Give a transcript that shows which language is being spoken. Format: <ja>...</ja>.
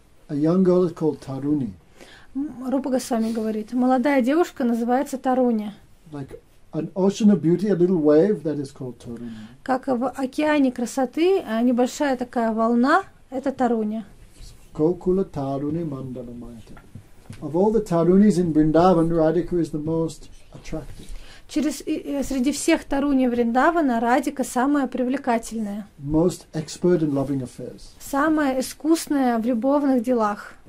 <en>A young girl is called Taruni.</en> <ru>Рупа Госвами говорит, молодая девушка называется Таруни.</ru> <en>Like an ocean of beauty, a little wave that is called Taruni.</en> <ru>Как в океане красоты, небольшая такая волна, это Таруни.</ru> <sa>Gokula Taruni Mandala Mayate.</sa> <en>Of all the Tarunis in Vrindavan, Radhika is the most attractive.</en> <ru>Через среди всех Таруни Вриндавана Радика самая привлекательная.</ru> <en>Most expert in loving affairs.</en> <ru>Самая искусная в любовных делах.</ru>